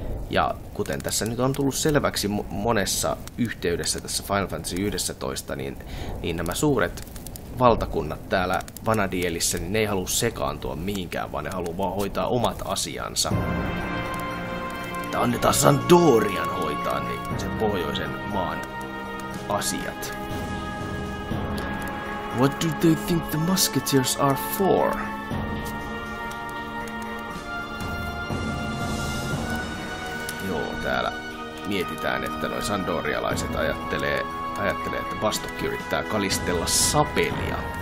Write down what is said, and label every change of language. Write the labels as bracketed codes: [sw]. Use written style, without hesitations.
[fi] Ja kuten tässä nyt on tullut selväksi monessa yhteydessä tässä Final Fantasy 11, niin nämä suuret valtakunnat täällä Vanadielissä, niin ne ei halua sekaantua mihinkään, vaan ne haluaa vaan hoitaa omat asiansa. Että annetaan Sandorian hoitaa niin sen pohjoisen maan asiat. [en] What do they think the musketeers are for? [fi] Joo, täällä mietitään, että noi sandorialaiset ajattelee, että Bastokki yrittää kalistella sapelia.